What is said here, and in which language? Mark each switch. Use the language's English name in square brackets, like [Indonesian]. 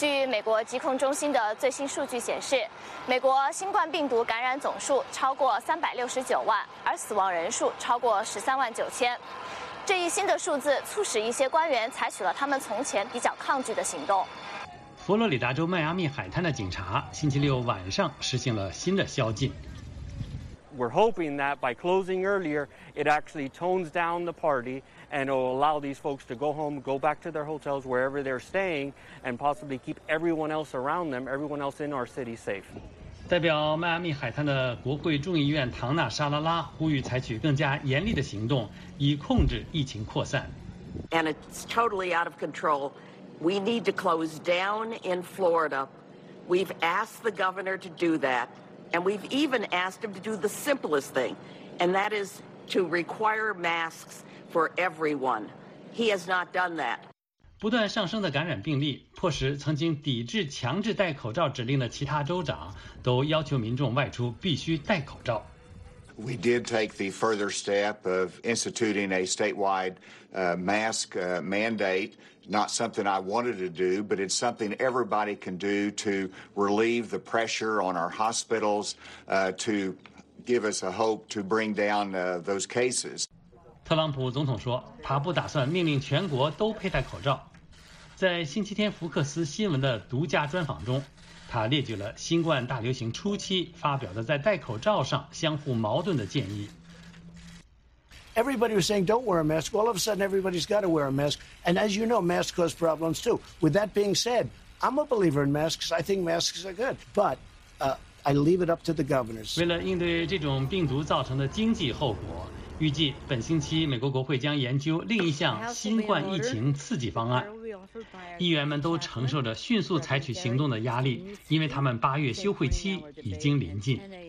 [Chinese] 据美国疾控中心的最新数据显示，美国新冠病毒感染总数超过369万，而死亡人数超过139000。这一新的数字促使一些官员采取了他们从前比较抗拒的行动。佛罗里达州迈阿密海滩的警察星期六晚上实行了新的宵禁。 [English] We're hoping that by closing earlier, it actually tones down the party and will allow these folks to go home, go back to their hotels, wherever they're staying, and possibly keep everyone else around them, everyone else in our city safe. [Chinese] 代表迈阿密海滩的国会众议院唐纳沙拉拉呼吁采取更加严厉的行动，以控制疫情扩散。 [English] And it's totally out of control. We need to close down in Florida. We've asked the governor to do that. And we've even asked him to do the simplest thing, and that is to require masks for everyone. He has not done that. [Chinese] 不断上升的感染病例迫使曾经抵制强制戴口罩指令的其他州长都要求民众外出必须戴口罩。 [English] We did take the further step of instituting a statewide mask mandate. Not something I wanted to do, but it's something everybody can do to relieve the pressure on our hospitals, to give us a hope to bring down those cases. [Chinese] 特朗普总统说，他不打算命令全国都佩戴口罩。在星期天福克斯新闻的独家专访中，他列举了新冠大流行初期发表的在戴口罩上相互矛盾的建议。 [English] Everybody was saying don't wear a mask. All of a sudden, everybody's got to wear a mask. And as you know, masks cause problems too. With that being said, I'm a believer in masks. I think masks are good. But I leave it up to the governors. [Chinese] 为了应对这种病毒造成的经济后果，预计本星期美国国会将研究另一项新冠疫情刺激方案。议员们都承受着迅速采取行动的压力，因为他们八月休会期已经临近。